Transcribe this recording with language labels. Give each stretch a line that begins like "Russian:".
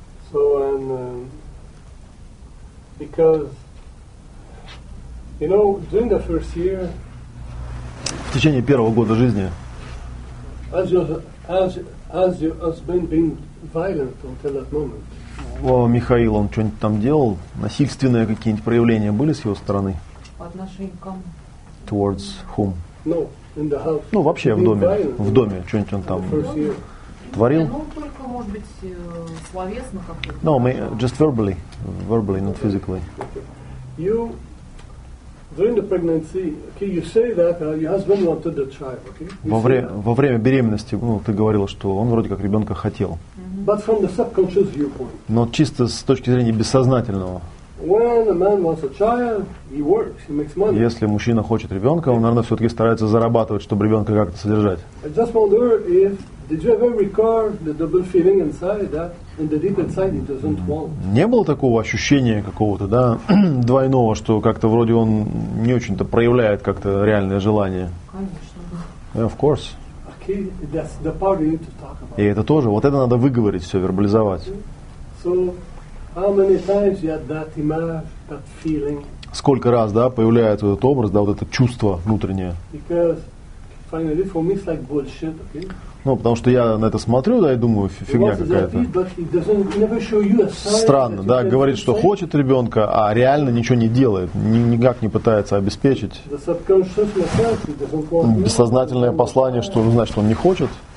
English: So, and because, you know, during the first year,
Russian: в течение первого года жизни, Михаил, он что-нибудь там делал? Насильственные какие-нибудь проявления были с его стороны?
English: Towards whom? No, in the house.
Russian: Ну, вообще в доме. В доме что-нибудь он там творил? Только, может быть, словесно как-то.
English: No, just verbally. Verbally, not physically. You, during the pregnancy, okay, you say that your husband wanted the child, okay?
Russian: Во время беременности, ну, ты говорила, что он вроде как ребенка хотел.
English: But from the subconscious viewpoint.
Russian: Но чисто с точки зрения бессознательного.
English: When a man wants a child, he works, he makes money.
Russian: Если мужчина хочет ребенка, он, наверное, все-таки старается зарабатывать, чтобы ребенка как-то содержать.
English: I just wonder if did you ever record the double feeling inside that in the deep inside he doesn't want?
Russian: Не было такого ощущения какого-то, да, двойного, что как-то вроде он не очень-то проявляет как-то реальное желание. Конечно.
English: Yeah, of course. Okay, that's the part you need to talk about.
Russian: И это тоже, вот это надо выговорить, все вербализовать.
English: So, how many times you had that image, that feeling?
Russian: Сколько раз, да, появляется вот этот образ, да, вот это чувство внутреннее?
English: Because finally, for me, it's like bullshit, okay?
Russian: Ну, потому что я на это смотрю, да, и думаю, фигня какая-то. Странно, да, говорит, что хочет ребенка, а реально ничего не делает, никак не пытается обеспечить. Бессознательное послание, что значит, он не хочет.